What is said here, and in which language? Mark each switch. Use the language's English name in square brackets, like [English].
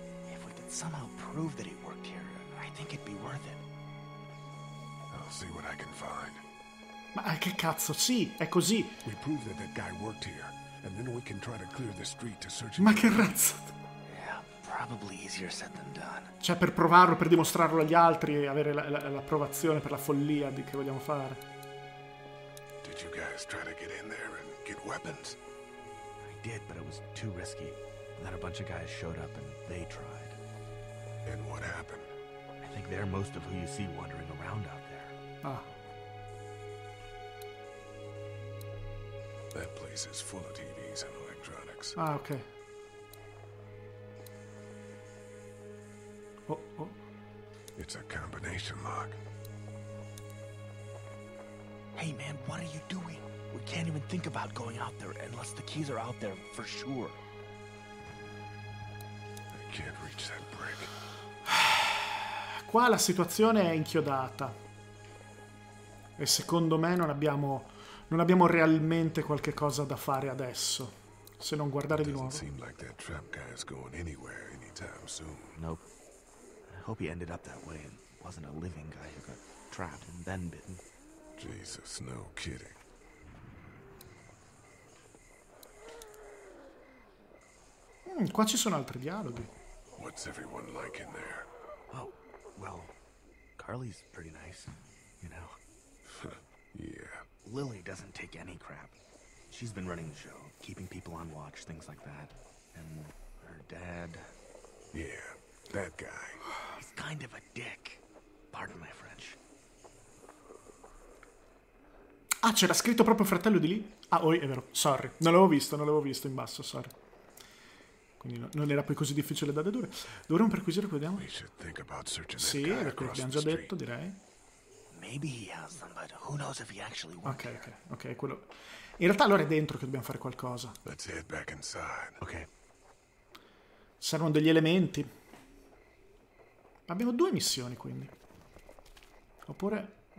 [English] If we could somehow prove that he worked here, I think it'd be worth it. I'll see what I can find. [Italian] Ma che cazzo, sì, è così. [English] We prove that that guy worked here, and then we can try to clear the street to search. [Italian] Ma che razza! [English] Probably easier said than done. [Italian] Cioè, per provarlo, per dimostrarlo agli altri e avere l'approvazione per la follia di che vogliamo fare. [English] Did you guys try to get in there and get weapons? I did, but it was too risky. Then a bunch of guys showed up and they tried. And what happened? I think they're most of who you see wandering around out there. Ah. That place is full of TVs and electronics. Ah, okay. Oh, oh. It's a combination lock. Hey, man, what are you doing? We can't even think about going out there unless the keys are out there for sure. I can't reach that brick. [Italian] Qua la situazione è inchiodata. E secondo me non abbiamo realmente qualche cosa da fare adesso. Se non guardare di nuovo. [English] Seem like that trap guy is going anywhere anytime soon. Nope. Hope he ended up that way and wasn't a living guy who got trapped and then bitten. Jesus, no kidding. [Italian] Qua ci sono altri dialoghi. [English] What's everyone like in there? Oh, well, Carly's pretty nice, you know. Yeah. Lily doesn't take any crap. She's been running the show, keeping people on watch, things like that. And her dad. Yeah. That guy. He's kind of a dick. Pardon my French. [Italian] Ah, c'era scritto proprio fratello di lì? Ah, oi, è vero. [English] Sorry. [Italian] Non l'avevo visto in basso, [English] sorry. [Italian] Quindi no, non era poi così difficile da dedurre. Dovremmo perquisire, vediamo. [English] We should think about searching [Italian] sì, [English] that guy [Italian] abbiamo già detto, direi. [English] Maybe he has them, but who knows if he actually works. [Italian] Ok, quello... In realtà allora è dentro che dobbiamo fare qualcosa. [English] Let's head back inside. [Italian] Ok. Servono degli elementi. Abbiamo due missioni, quindi. Oppure...